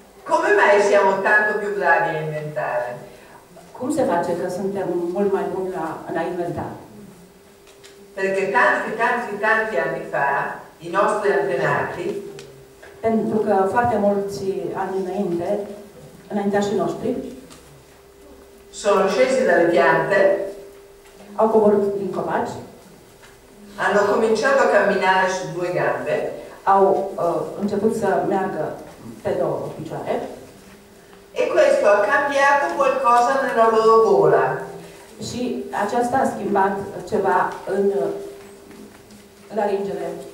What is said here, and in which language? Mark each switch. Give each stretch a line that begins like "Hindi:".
Italian: Come mai siamo tanto più bravi a inventare?
Romanian: Cum se face că suntem mult mai buni la a inventa?
Italian: Perché tanti anni fa i nostri antenati,
Romanian: pentru că foarte mulți ani înainte, înaintașii noștri,
Italian: sono scesi dalle piante,
Romanian: au coborât din copaci,
Italian: hanno cominciato a camminare su due gambe,
Romanian: au început să meargă pe două picioare,
Italian: e questo ha cambiato qualcosa nella loro gola.
Romanian: Și aceasta a schimbat ceva în laringele.